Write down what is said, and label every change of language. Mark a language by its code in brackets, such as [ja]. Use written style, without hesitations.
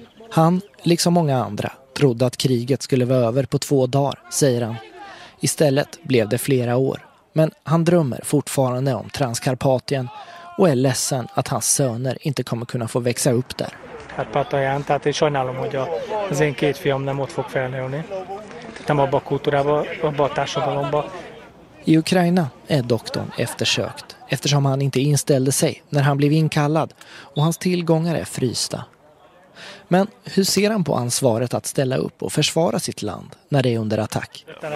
[sv] Han, liksom många andra, trodde att kriget skulle vara över på 2 dagar, säger han. Istället blev det flera år. Men han drömmer fortfarande om Transkarpatien och är ledsen att hans söner inte kommer kunna få växa upp där. [hu] Karpatien, [sv] det är [hu] sajnálom, hogy az én két fiam nem ott fog felnőni. Nem abba a kultúrába, abba a társadalomba. [sv] I Ukraina är doktorn eftersökt eftersom han inte inställde sig när han blev inkallad och hans tillgångar är frysta. Men hur ser han på ansvaret att ställa upp och försvara sitt land när det är under attack?